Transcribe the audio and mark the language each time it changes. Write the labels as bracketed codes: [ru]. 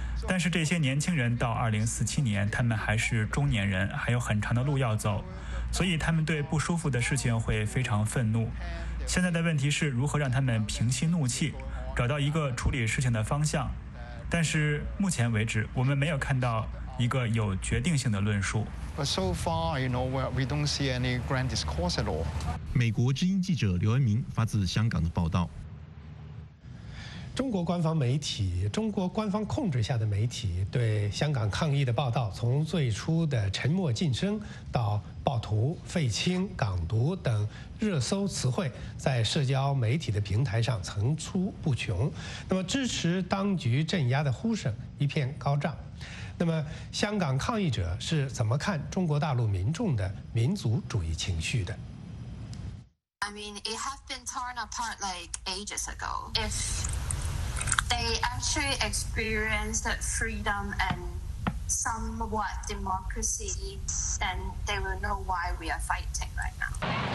[zh] 但是这些年轻人到2047年，他们还是中年人，还有很长的路要走，所以他们对不舒服的事情会非常愤怒。现在的问题是如何让他们平息怒气，找到一个处理事情的方向。但是目前为止，我们没有看到一个有决定性的论述。 [en] But so far, you know, we don't see any grand discourse at all. [zh] 美国之音记者刘恩明发自香港的报道。中国官方媒体，中国官方控制下的媒体对香港抗议的报道，从最初的沉默晋升到暴徒、废青、港独等热搜词汇，在社交媒体的平台上层出不穷。那么，支持当局镇压的呼声一片高涨。那么香港抗议者是怎么看中国大陆民众的民族主义情绪的？ [en] I mean, it has been torn apart like ages ago. If they actually experienced freedom and somewhat democracy, then they will know why we are fighting right now.